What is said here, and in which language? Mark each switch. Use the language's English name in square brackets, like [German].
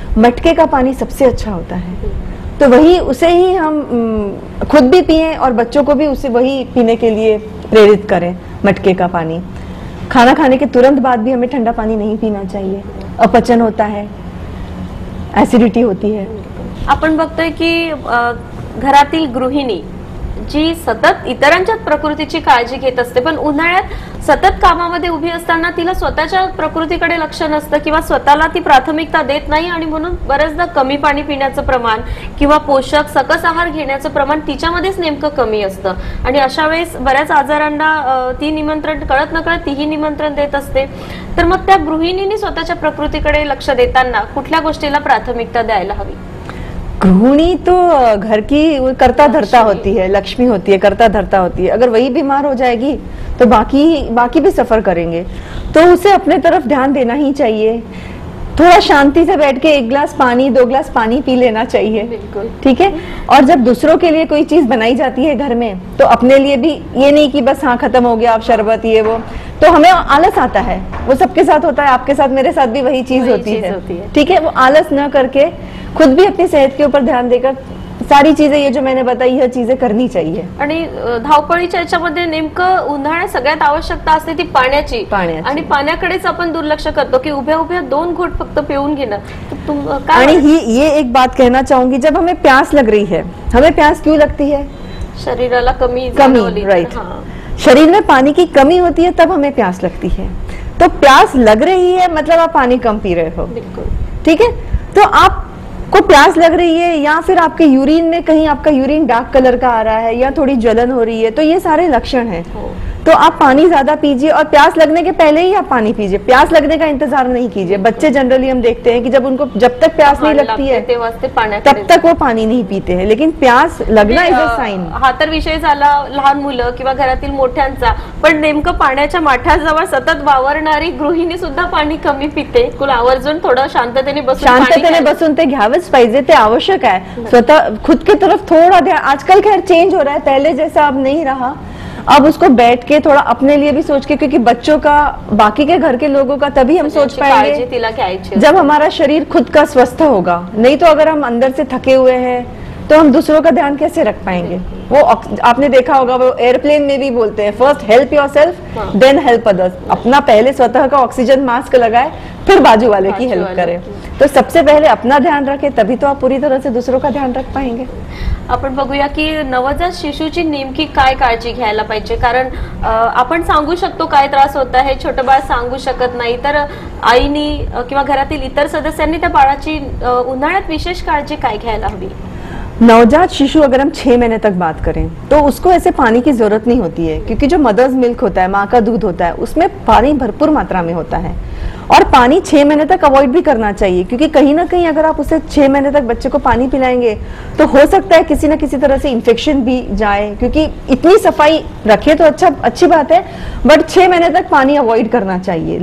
[Hindi] मटके का पानी सबसे अच्छा होता है तो वही उसे ही हम खुद भी पिए और बच्चों को भी उसे वही पीने के लिए प्रेरित करें, मटके का पानी। खाना खाने के तुरंत बाद भी हमें ठंडा पानी नहीं पीना चाहिए, अपचन होता है, एसिडिटी होती है। [Marathi] अपन बघतोय की घरातील गृहिणी जी सतत इतरांच्या प्रकृतीची काळजी घेत असते पण उन्हाळ्यात सतत कामामध्ये उभी असताना तिला स्वतःच्या प्रकृतीकडे लक्ष नसतं किंवा स्वतःला ती प्राथमिकता देत नाही आणि म्हणून बऱ्याचदा कमी पाणी पिण्याचं प्रमाण किंवा पोषक सकस आहार घेण्याचं प्रमाण तिच्यामध्येच नेमकं कमी असतं आणि अशा वेळेस बऱ्याच आजारांना ती निमंत्रण कळत नकळत तीही निमंत्रण देत असते। तर मग त्या गृहिणीने स्वतःच्या प्रकृतीकडे लक्ष देताना कुठल्या गोष्टीला प्राथमिकता द्यायला हवी? [Hindi] गृहिणी तो घर की करता धरता होती है, लक्ष्मी होती है, करता धरता होती है। अगर वही बीमार हो जाएगी तो बाकी भी सफर करेंगे, तो उसे अपने तरफ ध्यान देना ही चाहिए। थोड़ा शांति से बैठ के 1 गिलास पानी 2 गिलास पानी पी लेना चाहिए, ठीक है। और जब दूसरों के लिए कोई चीज बनाई जाती है घर में तो अपने लिए भी, ये नहीं कि बस हाँ खत्म हो गया आप शरबत ये वो, तो हमें आलस आता है, वो सबके साथ होता है, आपके साथ मेरे साथ भी वही चीज होती है, ठीक है। वो आलस ना करके खुद भी अपनी सेहत के ऊपर ध्यान देकर सारी चीजें ये जो मैंने बताई है चीजें करनी चाहिए। [Marathi] आणि धावपळीच्या याच्यामध्ये नेमकं उन्हाळ्यात सगळ्यात आवश्यकता असते ती पाण्याची, आणि पाण्याकडेच आपण दुर्लक्ष करतो की उभ्या 2 घोट फक्त पिऊन घेणं। आणि ही [Hindi] ये एक बात कहना चाहूंगी, जब हमें प्यास लग रही है, हमें प्यास क्यों लगती है? [Marathi] शरीराला [Hindi] कमी, राइट। शरीर में पानी की कमी होती है तब हमें प्यास लगती है। तो प्यास लग रही है मतलब आप पानी कम पी रहे हो, बिल्कुल ठीक है। तो आपको प्यास लग रही है या फिर आपके यूरिन में कहीं आपका यूरिन डार्क कलर का आ रहा है या थोड़ी जलन हो रही है, तो ये सारे लक्षण हैं। तो आप पानी ज्यादा पीजिए और प्यास लगने के पहले ही आप पानी पीजिए, प्यास लगने का इंतजार नहीं कीजिए। बच्चे जनरली हम देखते हैं कि जब उनको जब तक प्यास नहीं लगती है तब तक वो पानी नहीं पीते हैं, लेकिन प्यास लगना इज अ साइन। [Marathi] हा तर विषय झाला लहान मुलं किंवा घरातील मोठ्यांचा, पण नेमकं पाण्याच्या माठाजवळ सतत वावरणारी गृहिणी सुद्धा पाणी कमी पिते, आवर्जून थोडं शांततेने बसून ते घ्यावंच पाहिजे, ते आवश्यक आहे। [Hindi] स्वतः खुद के तरफ थोडा, आजकल खैर चेंज हो रहा है, पहले जैसा अब नहीं रहा, अब उसको बैठ के थोड़ा अपने लिए भी सोच के, क्योंकि बच्चों का बाकी के घर के लोगों का तभी हम सोच पाएंगे जब हमारा शरीर खुद का स्वस्थ होगा। नहीं तो अगर हम अंदर से थके हुए हैं तो हम दूसरों का ध्यान कैसे रख पाएंगे? वो आपने देखा होगा, वो एयरप्लेन में भी बोलते हैं [English] First help yourself then help others. [Hindi] अपना पहले स्वतः का ऑक्सीजन मास्क लगाए फिर बाजू वाले की हेल्प करें। तो सबसे पहले अपना ध्यान रखें तभी तो आप पूरी तरह से दूसरों का ध्यान रख पाएंगे। [Marathi] आपण बघूया की नवजात शिशूची नेमकी काय काळजी घ्यायला पाहिजे, कारण आपण सांगू शकतो काय त्रास होत आहे, छोटं बाळ सांगू शकत नाही, तर आईनी किंवा घरातील इतर सदस्यांनी त्या बाळाची उन्हाळ्यात विशेष काळजी काय घ्यायला हवी? [Hindi] नवजात शिशु अगर हम 6 महीने तक बात करें तो उसको ऐसे पानी की जरूरत नहीं होती है, क्योंकि जो मदर्स मिल्क होता है, माँ का दूध होता है, उसमें पानी भरपूर मात्रा में होता है। और पानी 6 महीने तक अवॉइड भी करना चाहिए, क्योंकि कहीं ना कहीं अगर आप उसे 6 महीने तक बच्चे को पानी पिलाएंगे तो हो सकता है किसी ना किसी तरह से इन्फेक्शन भी जाए, क्योंकि इतनी सफाई रखे तो अच्छा, अच्छी बात है, बट 6 महीने तक पानी अवॉइड करना चाहिए।